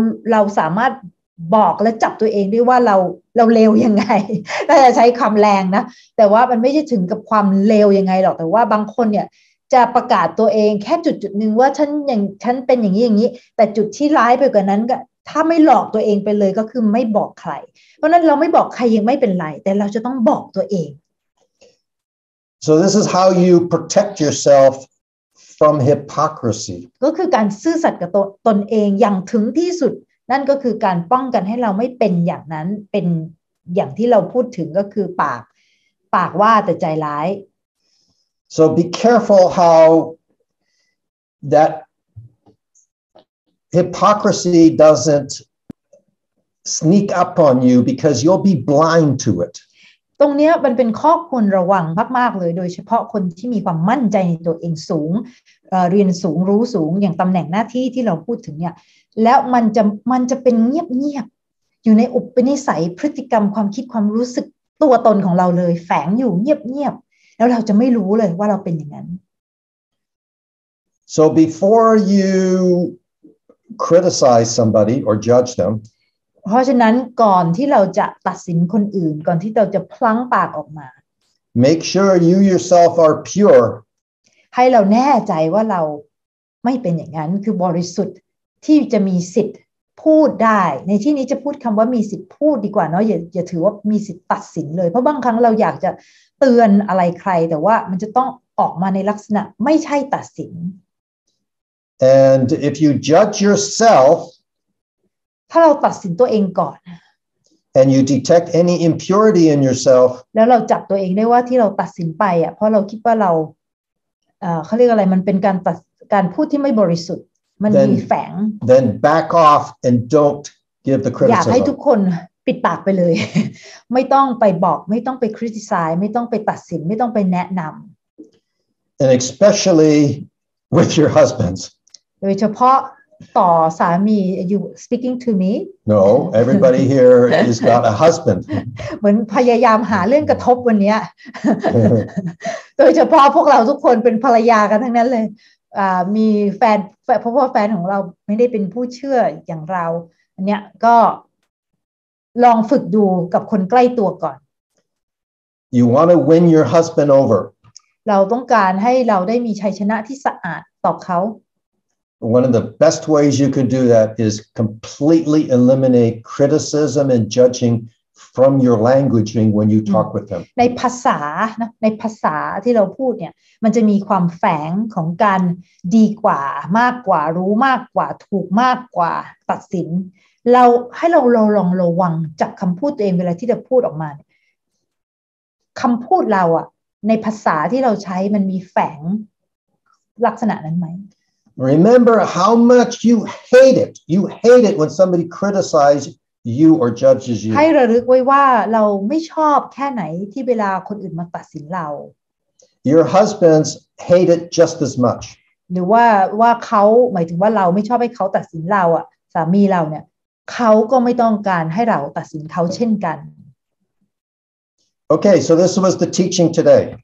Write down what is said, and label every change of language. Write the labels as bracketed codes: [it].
[th] เราสามารถบอกและจับตัวเองได้ว่าเราเลวยังไงแต่จะใช้คำแรงนะแต่ว่ามันไม่ใช่ถึงกับความเลวยังไงหรอกแต่ว่าบางคนเนี่ยจะประกาศตัวเองแค่จุดนึงว่าฉันเป็นอย่างนี้อย่างนี้แต่จุดที่ร้ายไปกว่านั้นก็ ถ้าไม่หลอกตัวเองไปเลยก็คือไม่บอกใครเพราะนั้นเราไม่บอกใครยังไม่เป็นไรแต่เราจะต้องบอกตัวเอง [en] So this is how you protect yourself from hypocrisy [th] ก็คือการซื่อสัตย์กับตนเองอย่างถึงที่สุดนั่นก็คือการป้องกันให้เราไม่เป็นอย่างนั้นเป็นอย่างที่เราพูดถึงก็คือปากว่าแต่ใจร้าย [en] So be careful how that hypocrisy doesn't sneak up on you because you'll be blind to it [th] ตรงเนี้ยมันเป็นข้อควรระวังมากๆเลยโดยเฉพาะคนที่มีความมั่นใจในตัวเองสูงเรียนสูงรู้สูงอย่างตำแหน่งหน้าที่ที่เราพูดถึงเนี่ยแล้วมันจะเป็นเงียบๆอยู่ในอุปนิสัยพฤติกรรมความคิดความรู้สึกตัวตนของเราเลยแฝงอยู่เงียบๆแล้วเราจะไม่รู้เลยว่าเราเป็นอย่างนั้น [en] So before you criticize somebody or judge them [th] เพราะฉะนั้นก่อนที่เราจะตัดสินคนอื่นก่อนที่เราจะพลั้งปากออกมา [en] Make sure you yourself are pure [th] ให้เราแน่ใจว่าเราไม่เป็นอย่างนั้นคือบริสุทธิ์ที่จะมีสิทธิ์พูดได้ในที่นี้จะพูดคำว่ามีสิทธิ์พูดดีกว่าเนาะอย่าถือว่ามีสิทธิ์ตัดสินเลยเพราะบางครั้งเราอยากจะเตือนอะไรใครแต่ว่ามันจะต้องออกมาในลักษณะไม่ใช่ตัดสิน [en] And if you judge yourself [th] ถ้าเราตัดสินตัวเองก่อน [en] And you detect any impurity in yourself [th] แล้วเราจับตัวเองได้ว่าที่เราตัดสินไปอ่ะเพราะเราคิดว่าเราเขาเรียกอะไรมันเป็นการพูดที่ไม่บริสุทธิ์มันมีแฝง [en] Then back off and don't give the criticism. อ [th] ยากให้ทุกคนปิดปากไปเลยไม่ต้องไปบอกไม่ต้องไป criticize ไม่ต้องไปตัดสินไม่ต้องไปแนะนำ [en] And especially with your husbands. [th] โดยเฉพาะต่อสามี [en] You speaking to me? No, everybody here has got a husband. [th] เหมือนพยายามหาเรื่องกระทบวันนี้โดยเฉพาะพวกเราทุกคนเป็นภรรยากันทั้งนั้นเลยมีแฟนเพราะว่าแฟนของเราไม่ได้เป็นผู้เชื่ออย่างเราอันเนี้ยก็ลองฝึกดูกับคนใกล้ตัวก่อน [en] You want to win your husband over [th] เราต้องการให้เราได้มีชัยชนะที่สะอาดต่อเขา [en] One of the best ways you can do that is completely eliminate criticism and judging from your languaging when you talk with them [th] ในภาษานะในภาษาที่เราพูดเนี่ยมันจะมีความแฝงของการดีกว่ามากกว่ารู้มากกว่าถูกมากกว่าตัดสินเราให้เราลองระวังจากคำพูดตัวเองเวลาที่จะพูดออกมาคำพูดเราอะในภาษาที่เราใช้มันมีแฝงลักษณะนั้นไหม [en] Remember how much you hate it. You hate it when somebody criticizes you or judges you. [th] ให้ระลึกไว้ว่าเราไม่ชอบแค่ไหนที่เวลาคนอื่นมาตัดสินเรา [en] Your husbands hate it just as much. [th] หรือว่าเขาหมายถึงว่าเราไม่ชอบให้เขาตัดสินเราอ่ะสามีเราเนี่ยเขาก็ไม่ต้องการให้เราตัดสินเขาเช่นกัน [en] Okay, so this was the teaching today.